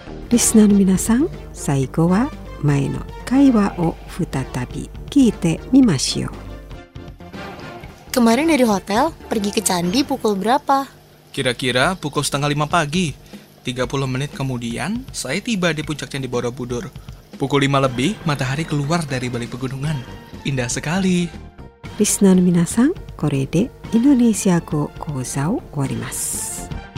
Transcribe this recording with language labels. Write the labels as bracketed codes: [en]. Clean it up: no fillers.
[ja] リスナーの皆さん、最後は前の会話を再び聞いてみましょう。 [id] Kemarin dari hotel, pergi ke candi pukul berapa? Kira-kira pukul 5:30 pagi. 30 menit kemudian, saya tiba di puncak candi Borobudur. Pukul 5 lebih, matahari keluar dari balik pegunungan. Indah sekali. [ja] リスナーの皆さん、これでインドネシア語講座を終わります。